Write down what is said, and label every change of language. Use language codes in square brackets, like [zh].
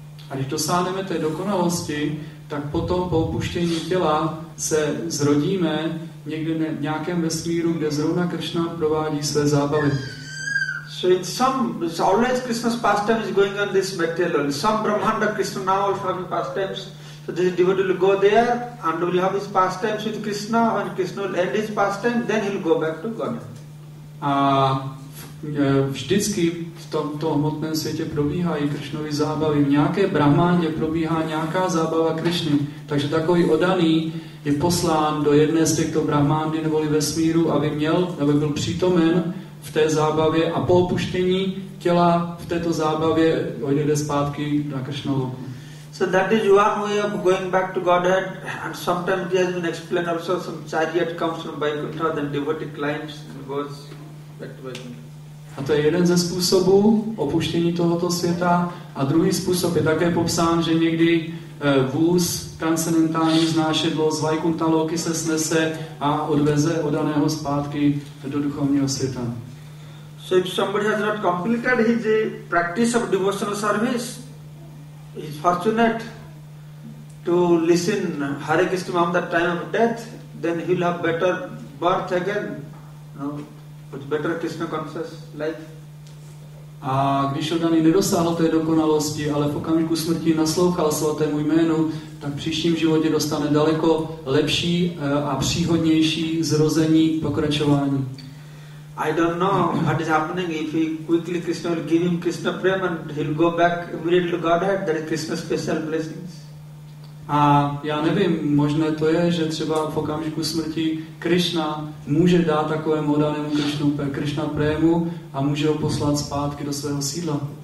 [cs] A když dosáhneme té dokonalosti, tak potom po opuštění těla se zrodíme někde v nějakém vesmíru, kde zrovna Krishna provádí své zábavy. [en] So it's always Krishna's pastime is going on this material world. Some Brahmanda Krishna now will have his pastimes. So this devotee will go there and will have his pastimes with Krishna. When Krishna will end his pastime, then he will go back to Godhead. [cs] A vždycky v tomto hmotném světě probíhají Krishnovy zábavy. V nějaké Brahmáně probíhá nějaká zábava Krishny. Takže takový oddaný je poslán do jedné z těchto Brahmány neboli vesmíru, aby měl, aby byl přítomen v té zábavě a po opuštění těla v této zábavě odjede zpátky na Krishnaloku. [en] So that is one way of going back to Godhead, and sometimes it has been explained also some chariot comes from Vaikuntha, then devotee climbs and goes back to Vaikuntha. [cs] A to je jeden ze způsobů opuštění tohoto světa, a druhý způsob je také popsán, že někdy vůz transcendentální znášedlo z Vaikuntha Loky se snese a odveze odaného zpátky do duchovního světa. [en] So if somebody has not completed his practice of devotional service, he is fortunate to listen Hare Krishna on the time of death, then he will have better birth again, with better Krishna conscious life. [cs] A když oddaný nedosáhl té dokonalosti, ale v okamžiku smrti naslouchal svatému jménu, tak v příštím životě dostane daleko lepší a příhodnější zrození pokračování. [en] I don't know what is happening if he quickly Krishna will give him Krishna prem and he'll go back immediately to Godhead. That is Krishna's special blessings. [cs] A já nevím, možné to je, že třeba v okamžiku smrti Krishna může dát takovému oddanému Krishna prému a může ho poslat zpátky do svého sídla.